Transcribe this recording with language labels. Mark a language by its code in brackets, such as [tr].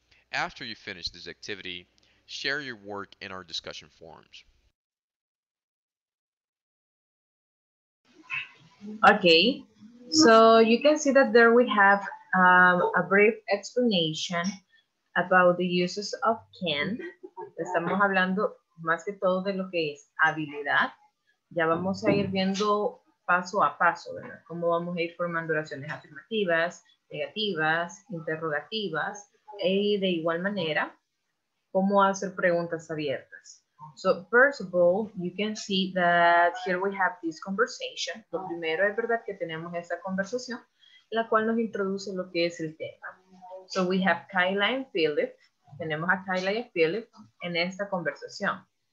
[en] After you finish this activity, share your work in our discussion forums. Okay, so you can see that there we have a brief explanation about the uses of can. [es] Estamos hablando más que todo de lo que es habilidad. Ya vamos a ir viendo paso a paso, ¿verdad? Cómo vamos a ir formando oraciones afirmativas, negativas, interrogativas, y de igual manera, cómo hacer preguntas abiertas. [en] So, first of all, you can see that here we have this conversation. [es] Lo primero es verdad que tenemos esta conversación, la cual nos introduce lo que es el tema. [en] So, we have Kyla and Philip. [es] Tenemos a Kyla y a Philip en esta conversación.